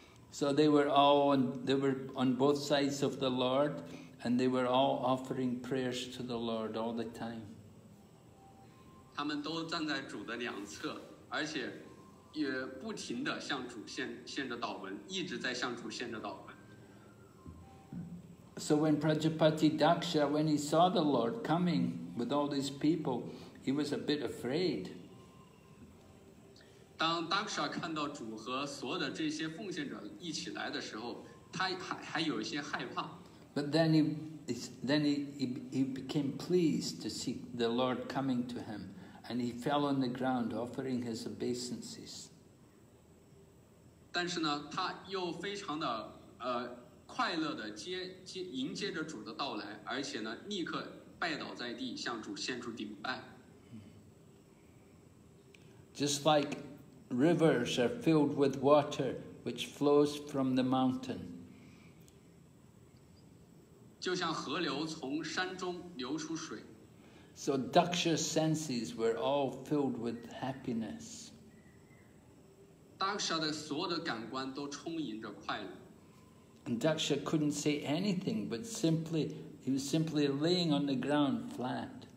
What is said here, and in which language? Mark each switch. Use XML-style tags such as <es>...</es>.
<en>So they were all on, they were on both sides of the Lord, and they were all offering prayers to the Lord all the time.</en> <zh>他们都站在主的两侧，而且也不停地向主献着祷文，一直在向主献着祷文。</zh> <en>So when Prajapati Daksha, when he saw the Lord coming with all these people, he was a bit afraid.</en> <zh>当 Daksha 看到主和所有的这些奉献者一起来的时候，他 还有一些害怕。</zh> <en>But then he became pleased to see the Lord coming to him, and he fell on the ground offering his obeisances.</en> <zh>但是呢，他又非常的快乐地迎接着主的到来，而且呢，立刻拜倒在地，向主献出顶拜。</zh> <en>Just like rivers are filled with water which flows from the mountain.</en> <zh>就像河流从山中流出水。</zh> <en>So Daksha's senses were all filled with happiness.</en> <zh>Daksha 的所有的感官都充盈着快乐。</zh> <en>And Daksha couldn't say anything, but simply, he was simply laying on the ground flat.</en>